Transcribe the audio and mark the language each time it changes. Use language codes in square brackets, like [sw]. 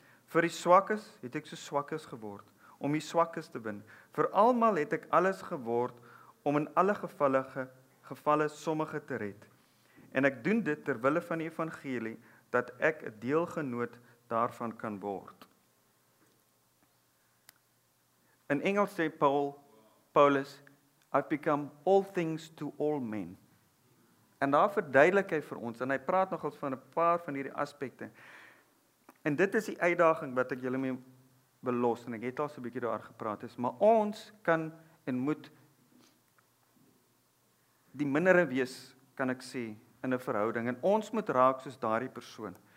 [af] Vir die swakkes het ek so swakkes geword, om die swakkes te win. Vir almal het ek alles geword, om in alle gevalle sommige te red. En ek doen dit ter wille van die evangelie, dat ek 'n deelgenoot daarvan kan word. In Engels sê Paulus, [en] I've become all things to all men. [af] En daar verduidelik hy vir ons, en hy praat nogals van 'n paar van hierdie aspekte. En dit is die uitdaging wat ek julle mee belos, en ek het al so 'n bietjie daar gepraat is, maar ons kan en moet die mindere wees, kan ek sê, in 'n verhouding, en ons moet raak soos daardie persoon.